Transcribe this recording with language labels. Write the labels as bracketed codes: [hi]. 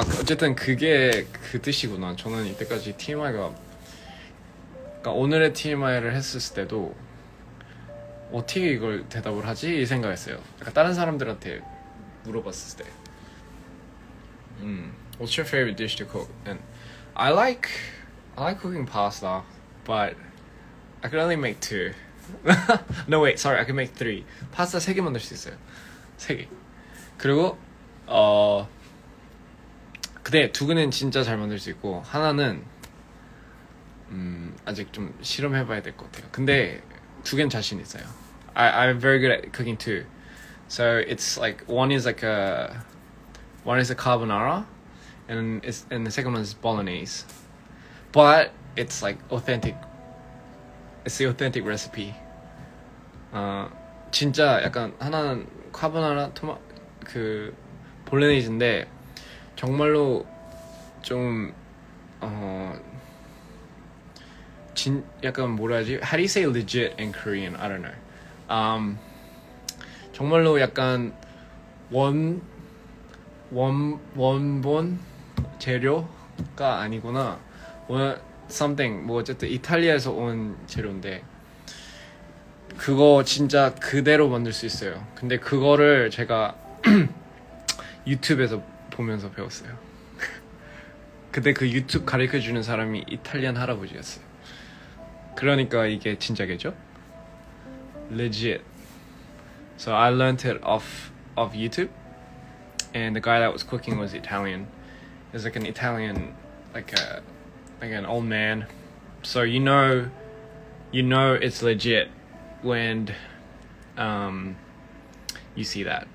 [ko] 어쨌든 그게 그 뜻이구나. 저는 이때까지 TMI가 그러니까 오늘의 TMI를 했을 때도 어떻게 이걸 대답을 하지? 이 생각했어요. 약간 다른 사람들한테 물어봤을 때. [en] What's your favorite dish to cook? And I like cooking pasta, but I can only make two. No wait, sorry. I can make three. [ko] 파스타 세 개 만들 수 있어요. 세 개. 그리고 근데 두 개는 진짜 잘 만들 수 있고 하나는 아직 좀 실험해봐야 될 것 같아요. 근데 두 개는 자신 있어요. [en] I'm very good at cooking two. So it's like one is a carbonara, and the second one is bolognese. But it's like authentic. It's the authentic recipe. [ko] 진짜 약간 하나는 카보나라 토마 그 볼로네즈인데 정말로 좀 진 약간 뭐라지? [en] How do you say legit in Korean? I don't know. [ko] 정말로 약간 원본 재료가 아니구나. [en] Something [ko] 뭐 어쨌든 이탈리아에서 온 재료인데 그거 진짜 그대로 만들 수 있어요. 근데 그거를 제가 유튜브에서 보면서 배웠어요. 근데 그 유튜브 가르쳐주는 사람이 이탈리안 할아버지였어요. 그러니까 이게 진짜겠죠? [en] Legit. So I learned it off YouTube, and the guy that was cooking was Italian. He was like an Italian, like an old man. So you know it's legit when you see that.